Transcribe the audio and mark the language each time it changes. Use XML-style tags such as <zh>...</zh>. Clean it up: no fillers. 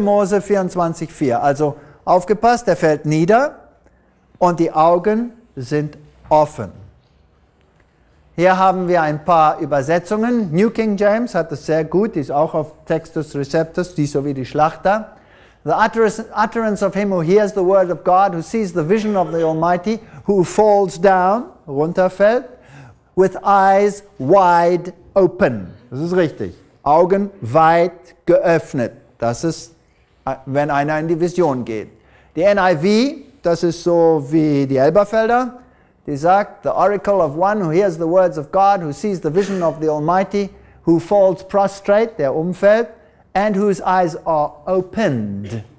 <de>Mose 24, 4. Also aufgepasst, er fällt nieder und die Augen sind offen. Hier haben wir ein paar Übersetzungen. New King James hat das sehr gut, ist auch auf Textus Receptus, die so wie die Schlachter.</de> <en>The utterance of him who hears the word of God, who sees the vision of the Almighty, who falls down,</en> <de>runterfällt,</de> <en>with eyes wide open.</en> <de>Das ist richtig. Augen weit geöffnet. Das ist, wenn einer in die Vision geht. Die NIV, das ist so wie die Elberfelder, die sagt,</de> <en>the oracle of one who hears the words of God, who sees the vision of the Almighty, who falls prostrate,</en> <de>der umfällt,</de> <en>and whose eyes are opened.</en>